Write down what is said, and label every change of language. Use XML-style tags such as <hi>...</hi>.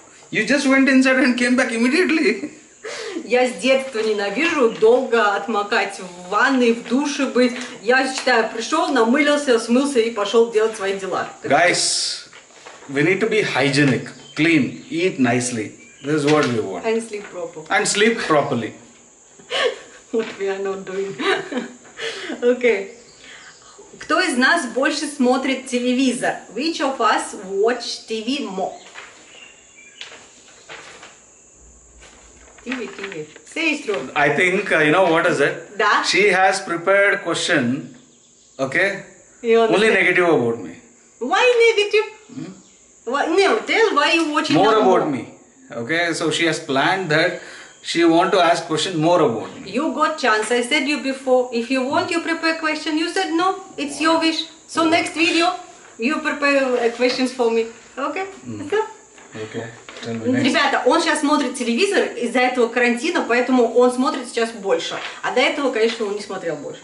<en>You just went inside and came back immediately.</en> <ru>Я с детства ненавижу долго отмокать в ванной, в душе быть. Я считаю, пришел, намылился, смылся и пошел делать свои дела.</ru> <en>Guys, we need to be hygienic, clean, eat nicely. This is what we want. And sleep properly. And sleep properly. What we are not doing. Okay.</en> <ru>Кто из нас больше смотрит телевизор?</ru> <en>Which of us watch TV more? TV. Say it through. I think, you know what is it?</en> <ru>Da?</ru> <en>She has prepared question, okay? Only negative about me. Why negative? Tell why you watch it more about me. Okay, so she has planned that she want to ask question more about me. You got chance. I said you before. If you want, you prepare question. You said no. It's your wish. So next video, you prepare questions for me. Okay? Okay.</en> <ru>Ребята, он сейчас смотрит телевизор из-за этого карантина, поэтому он смотрит сейчас больше. А до этого, конечно, он не смотрел больше.</ru>